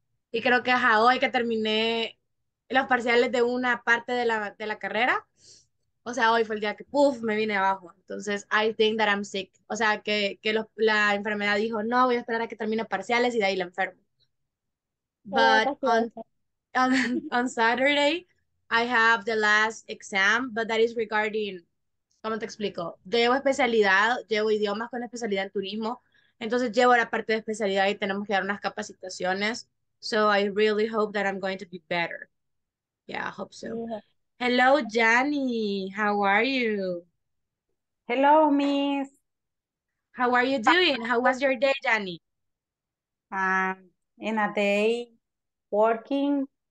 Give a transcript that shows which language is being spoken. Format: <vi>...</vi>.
<es>Y creo que hoy que terminé los parciales de una parte de la carrera, o sea, hoy fue el día que, puff, me vine abajo. Entonces,</es> <en>I think that I'm sick.</en> <es>O sea, que la enfermedad dijo, no, voy a esperar a que termine parciales y de ahí la enfermo.</es> <en>But</en> <es>Paciencia.</es> <en>on Saturday, I have the last exam, but that is regarding.</en> <es>¿Cómo te explico? Llevo especialidad, llevo idiomas con especialidad en turismo, entonces llevo la parte de especialidad y tenemos que dar unas capacitaciones.</es> <en>So I really hope that I'm going to be better. Yeah, I hope so. Hello, Jani. How are you? Hello, Miss. How are you doing? How was your day, Jani? In a day, working</en>